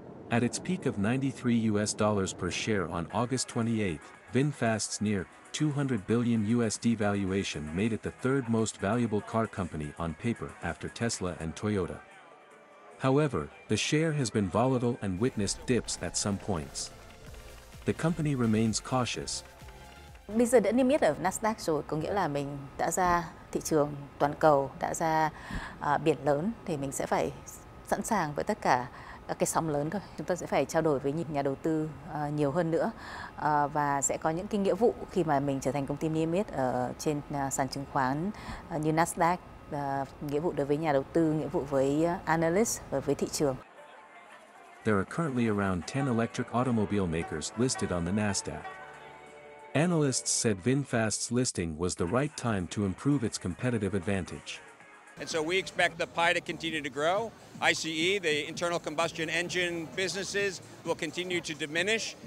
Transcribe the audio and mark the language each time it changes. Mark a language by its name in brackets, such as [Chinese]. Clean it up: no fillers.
[English] At its peak of $93 per share on August 28, VinFast's near $200 billion valuation made it the third most valuable car company on paper after Tesla and Toyota. However, the share has been volatile and witnessed dips at some points. The company remains cautious. [Vietnamese] Bây giờ đã niêm yết ở Nasdaq rồi, có nghĩa là mình đã ra thị trường toàn cầu, đã ra biển lớn, thì mình sẽ phải sẵn sàng với tất cả cái sóng lớn thôi. Chúng ta sẽ phải trao đổi với nhà đầu tư nhiều hơn nữa và sẽ có những cái nghĩa vụ khi mà mình trở thành công ty niêm yết ở trên sàn chứng khoán như Nasdaq, nghĩa vụ đối với nhà đầu tư, nghĩa vụ với analyst và với thị trường. [English] There are currently around 10 electric automobile makers listed on the Nasdaq. Analysts said VinFast's listing was the right time to improve its competitive advantage. And so we expect the pie to continue to grow. ICE, the internal combustion engine businesses, will continue to diminish.